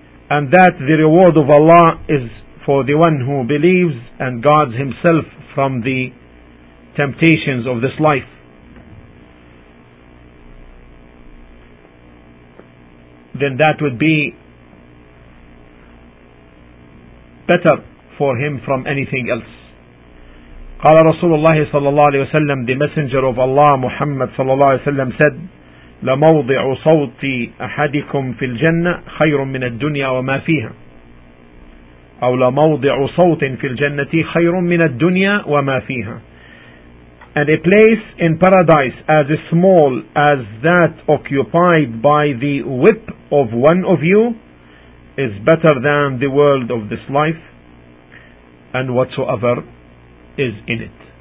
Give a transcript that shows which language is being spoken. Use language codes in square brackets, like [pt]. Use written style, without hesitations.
[en] And that the reward of Allah is for the one who believes and guards himself from the temptations of this life. Then that would be better for him from anything else. [ar] قال رسول الله صلى الله عليه وسلم, [en] the messenger of Allah Muhammad [ar] صلى الله عليه وسلم [en] said, [ar] لموضع صوت أحدكم في الجنة خير من الدنيا وما فيها. أو لموضع صوت في الجنة خير من الدنيا وما فيها. [en] And a place in paradise as small as that occupied by the whip of one of you is better than the world of this life and whatsoever is in it.